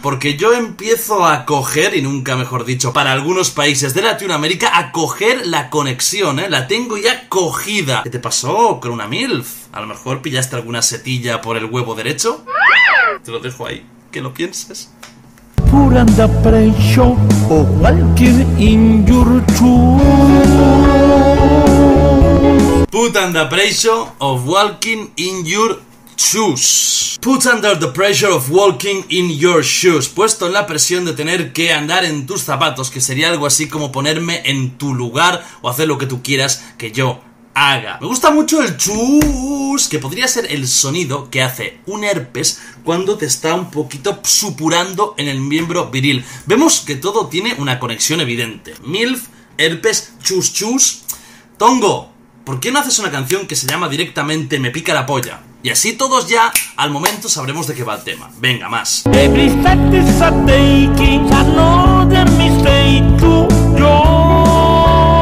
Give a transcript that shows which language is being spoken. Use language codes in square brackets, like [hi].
[es] Porque yo empiezo a coger, y nunca mejor dicho, para algunos países de Latinoamérica, a coger la conexión, ¿eh? La tengo ya cogida. ¿Qué te pasó con una MILF? A lo mejor pillaste alguna setilla por el huevo derecho. Te lo dejo ahí, que lo pienses. [en] Put under pressure or walking in your shoes. Put under pressure of walking in your shoes. Put under the pressure of walking in your shoes. [es] Puesto en la presión de tener que andar en tus zapatos, que sería algo así como ponerme en tu lugar o hacer lo que tú quieras que yo haga. Me gusta mucho el chus, que podría ser el sonido que hace un herpes cuando te está un poquito supurando en el miembro viril. Vemos que todo tiene una conexión evidente. MILF, herpes, chus chus. Tongo, ¿por qué no haces una canción que se llama directamente Me pica la polla? Y así todos ya, al momento, sabremos de qué va el tema. Venga, más. [en] Every step is a taking another mistake to go.